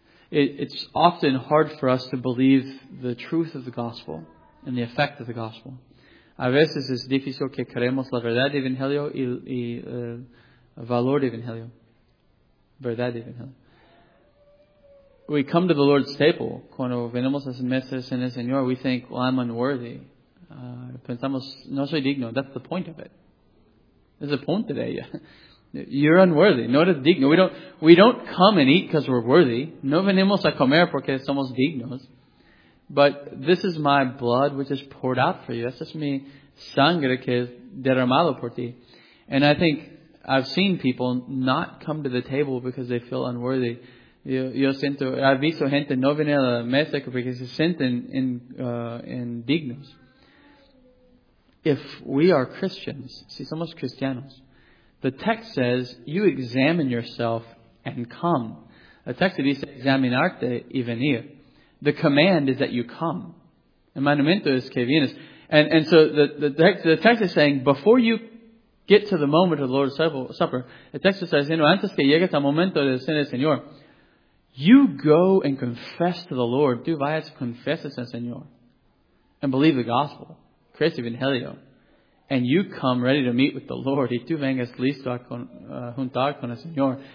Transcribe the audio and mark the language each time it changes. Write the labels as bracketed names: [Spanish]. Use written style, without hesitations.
[English] It's often hard for us to believe the truth of the gospel and the effect of the gospel. [Spanish] A veces es difícil que creemos la verdad del Evangelio y el valor del Evangelio. Verdad del Evangelio. [English] We come to the Lord's table. [Spanish] Cuando venimos a las mesas en el Señor, [English] we think, well, I'm unworthy. [Spanish] Pensamos, no soy digno. [English] That's the point of it. [Spanish] Es el punto de ella. [English] You're unworthy. [Spanish] No eres digno. [English] We don't come and eat because we're worthy. [Spanish] No venimos a comer porque somos dignos. [English] But this is my blood which is poured out for you. [Spanish] Esa es mi sangre que es derramado por ti. [English] And I think I've seen people not come to the table because they feel unworthy. I've [Spanish] visto gente no venir a la mesa porque se sienten indignos. [English] If we are Christians, [Spanish] si somos cristianos, [English] the text says, you examine yourself and come. The text [Spanish] dice, examinarte y venir. [English] The command is that you come. [Spanish] El mandamiento es que vienes. [English] And so the text is saying, before you get to the moment of the Lord's Supper, the text is saying, [Spanish] antes que llegues al momento de cena del Señor, [English] you go and confess to the Lord. [Spanish] Tú vayas y confesas al Señor. [English] And believe the gospel. [Spanish] Crees el Evangelio. [English] And you come ready to meet with the Lord. [Spanish] Y tú vengas listo a juntar con el Señor.